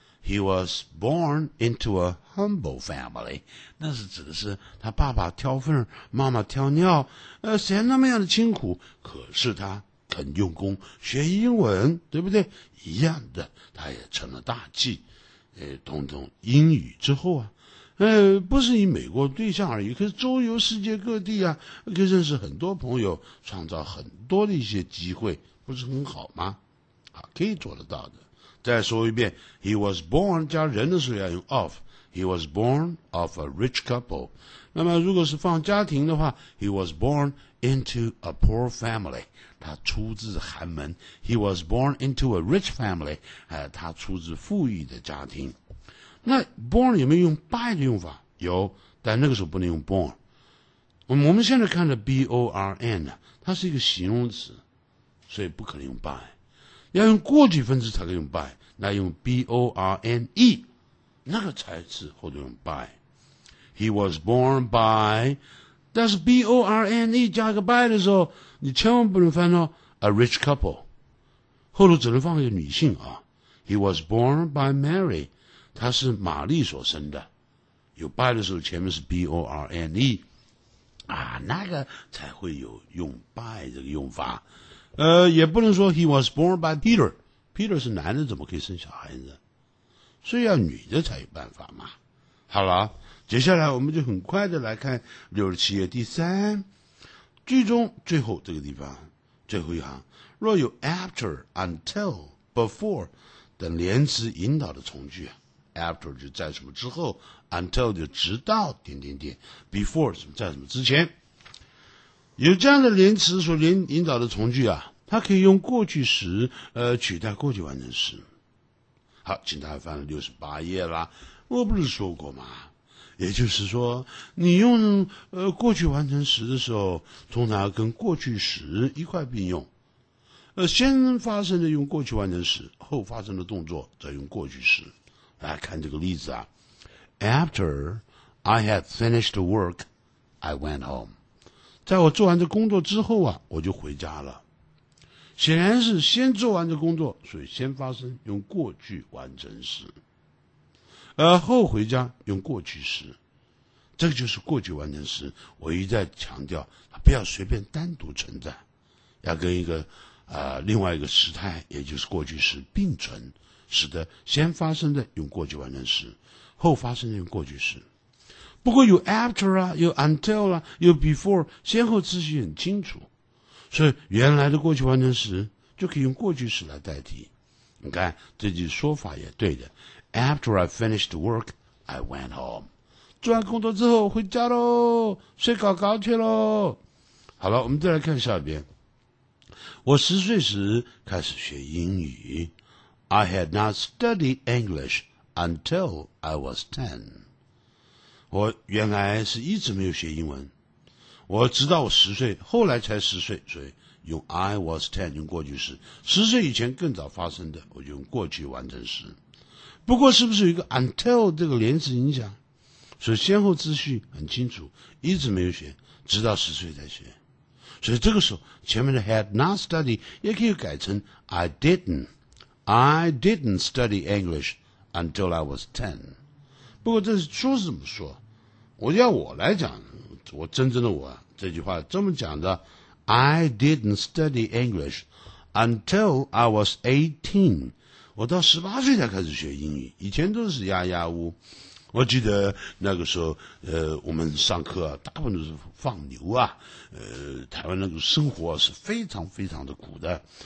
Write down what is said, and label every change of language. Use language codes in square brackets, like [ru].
[en] He was born into a humble family. [zh] 那是指的是他爸爸挑粪，妈妈挑尿，谁那么样的清苦，可是他很用功学英文，对不对？一样的，他也成了大器。通通英语之后啊，不是以美国对象而已，可是周游世界各地啊，可以认识很多朋友，创造很多的一些机会，不是很好吗？好，可以做得到的。再说一遍 ， [en] He was born [zh] 加人的时候要用 of。 [en] He was born of a rich couple。 [zh] 那么如果是放家庭的话 [en] ，He was born into a poor family。 [zh] 他出自寒门。 [en] He was born into a rich family。 [zh] 他出自富裕的家庭。那 born 有没有用 by 的用法？有，但那个时候不能用 born。我们现在看的 b o r n 呢，它是一个形容词，所以不可能用 by。要用过去分词才可以用 by， 那用 b o r n e。那个才是后头用 by。 [en] He was born by， [zh] 但是 born 加个 by 的时候，你千万不能翻到 a rich couple， 后头只能放一个女性啊。 [en] He was born by Mary， [zh] 他是玛丽所生的。有 by 的时候，前面是 born 啊，那个才会有用 by 这个用法。也不能说 [en] he was born by Peter， [zh] Peter 是男的，怎么可以生小孩子？所以要女的才有办法嘛。好了，接下来我们就很快的来看67页第三句中最后这个地方最后一行，若有 after until before 等连词引导的从句， after 就在什么之后， until 就直到点点点， before 什么在什么之前，有这样的连词所引导的从句啊，它可以用过去时取代过去完成时。好，请大家翻了68页啦。我不是说过吗？也就是说，你用过去完成时的时候，通常跟过去时一块并用。先发生的用过去完成时，后发生的动作再用过去时。来看这个例子啊。 [en] After I had finished work, I went home. [zh] 在我做完这工作之后啊，我就回家了。显然是先做完的工作，所以先发生用过去完成时，而后回家用过去时，这个就是过去完成时。我一再强调，不要随便单独存在，要跟一个另外一个时态，也就是过去时并存，使得先发生的用过去完成时，后发生的用过去时。不过有 after 啊，有 until 啊，有 before， 先后次序很清楚。所以原来的过去完成时就可以用过去时来代替。你看这句说法也对的， [en] After I finished work I went home， [zh] 做完工作之后回家咯，睡搞搞去咯。好了，我们再来看下一边。我十岁时开始学英语， [en] I had not studied English until I was 10. [zh] 我原来是一直没有学英文。我直到我十岁，后来才十岁，所以用 [en] I was 10 [zh] 用过去时。十岁以前更早发生的，我就用过去完成时。不过是不是有一个 until 这个连词影响？所以先后秩序很清楚，一直没有学，直到十岁才学。所以这个时候前面的 [en] had not studied [zh] 也可以改成 [en] I didn't。 I didn't study English until I was 10. [zh] 不过这是书是怎么说？我要我来讲，我真正的我这句话这么讲的 [en] I didn't study English until I was 18. [zh] 我到18岁才开始学英语，以前都是鸦鸦屋。我记得那个时候我们上课啊，大部分都是放牛啊，台湾那个生活是非常非常的苦的。